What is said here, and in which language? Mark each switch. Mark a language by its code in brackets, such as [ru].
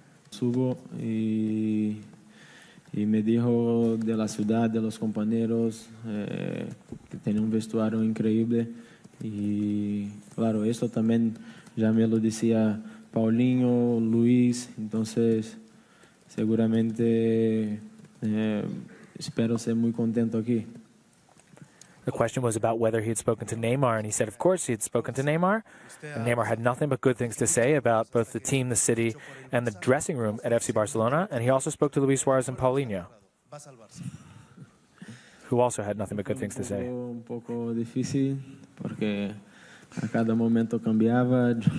[es] Subo y me dijo de la ciudad, de los compañeros, que tiene un vestuario increíble. Y claro, esto también ya me lo decía Paulinho, Luis. Entonces, seguramente espero ser muy contento aquí. [en] The question was about whether he had spoken to Neymar, and he said, of course, he had spoken to Neymar. And Neymar had nothing but good things to say about both the team, the city, and the dressing room at FC Barcelona. And he also spoke to Luis Suarez and Paulinho, who also had nothing but good things to say. [es] Un poco difícil, porque a cada momento cambiaba.